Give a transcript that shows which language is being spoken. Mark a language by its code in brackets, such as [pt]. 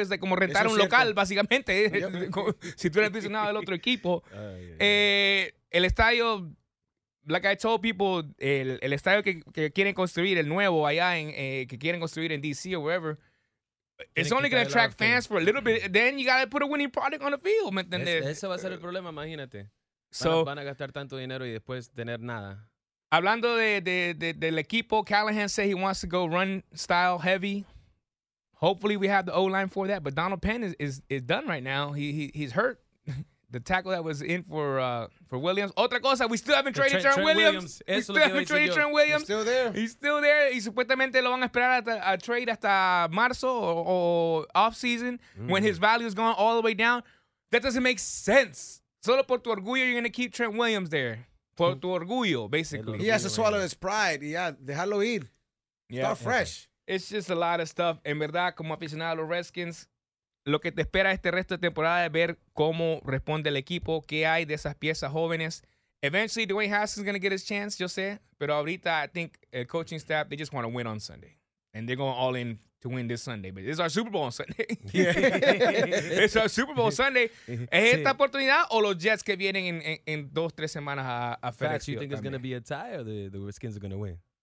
[es] Es como rentar un local, básicamente. Si tú eres aficionado del otro equipo. El estadio, [en] like I told people, [es] el estadio que quieren construir, el nuevo allá que quieren construir en D.C. [en] or wherever, it's only going to attract fans for a little bit. Then you got to put a winning product on the field. [es] ¿Me entiendes? Ese va a ser el problema, imagínate. So, van a gastar tanto dinero y después tener nada. Hablando del equipo, [en] Callahan said he wants to go run style heavy. Hopefully we have the O-line for that, but Donald Penn is done right now. He's hurt. The tackle that was in for Williams. [es] Otra cosa, [en] we still haven't traded Trent Williams. Williams. We still haven't traded Trent Williams. He's still there. He's still there. [es] Y supuestamente lo van a esperar a trade hasta marzo [en] or offseason when his value is going all the way down. That doesn't make sense. [es] Solo por tu orgullo, [en] you're going to keep Trent Williams there. [es] Por tu orgullo, basically. [en] He has to swallow his pride. Yeah, [es] dejarlo ir. [en] Yeah. Start fresh. Okay. It's just a lot of stuff. [es] En verdad, como aficionado a los Redskins, lo que te espera este resto de temporada es ver cómo responde el equipo, qué hay de esas piezas jóvenes. [en] Eventually, Dwayne Haskins is going to get his chance, [es] yo sé, pero ahorita [en] I think the coaching staff, they just want to win on Sunday. And they're going all in to win this Sunday. But it's our Super Bowl on Sunday. Yeah. It's our Super Bowl Sunday. [es] ¿Es esta oportunidad o los Jets que vienen en dos, tres semanas a FedEx Field? [en] You think [es] también? [en] It's going to be a tie or the Redskins are going to win?